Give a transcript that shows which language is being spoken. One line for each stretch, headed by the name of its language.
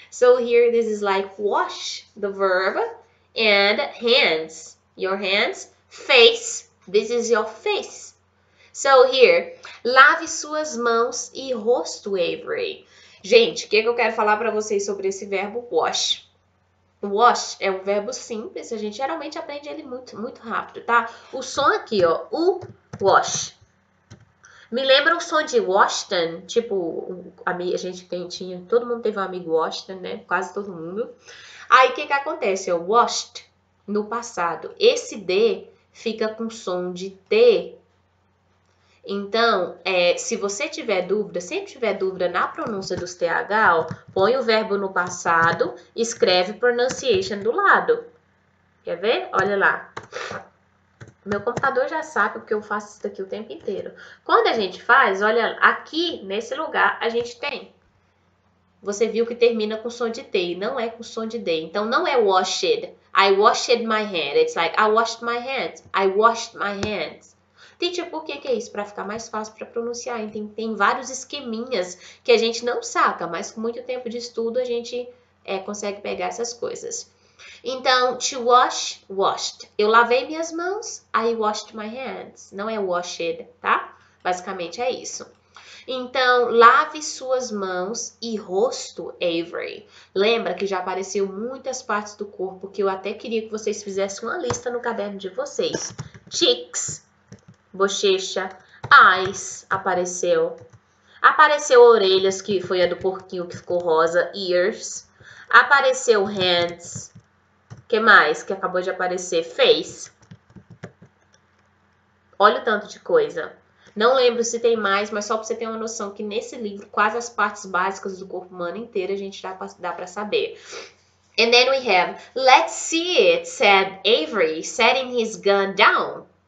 English: So here, this is like wash, the verb, and hands, your hands, face, this is your face. So here,
Portuguese: lave suas mãos e rosto, Avery. Gente, o que eu quero falar para vocês sobre esse verbo wash? Wash é um verbo simples, a gente geralmente aprende ele muito, muito rápido, tá? O som aqui, ó, o wash. Me lembra o som de Washington, tipo, a gente tinha, todo mundo teve um amigo Washington, né? Quase todo mundo. Aí, o que que acontece? Ó, washed, no passado. Esse D fica com som de T. Então, se você tiver dúvida, sempre tiver dúvida na pronúncia dos TH, ó, põe o verbo no passado, escreve pronunciation do lado. Quer ver? Olha lá. Meu computador já sabe porque eu faço isso daqui o tempo inteiro. Quando a gente faz, olha, aqui nesse lugar a gente tem. Você viu que termina com som de T e não é com som de D. Então, não é washed.
English: I washed my hands. It's like I washed my hands. I washed my hands.
Portuguese: Teacher, por que que é isso? Para ficar mais fácil para pronunciar. Tem vários esqueminhas que a gente não saca, mas com muito tempo de estudo a gente consegue pegar essas coisas. Então, to wash, washed. Eu lavei minhas mãos,
English: I washed my hands.
Portuguese: Não é washed, tá? Basicamente é isso. Então, lave suas mãos e rosto, Avery. Lembra que já apareceu muitas partes do corpo que eu até queria que vocês fizessem uma lista no caderno de vocês. Cheeks. Bochecha, eyes, apareceu. Apareceu orelhas, que foi a do porquinho que ficou rosa, ears. Apareceu hands. Que mais que acabou de aparecer? Face. Olha o tanto de coisa. Não lembro se tem mais, mas só para você ter uma noção que nesse livro, quase as partes básicas do corpo humano inteiro a gente dá para saber.
English: And then we have, let's see it, said Avery, setting his gun down.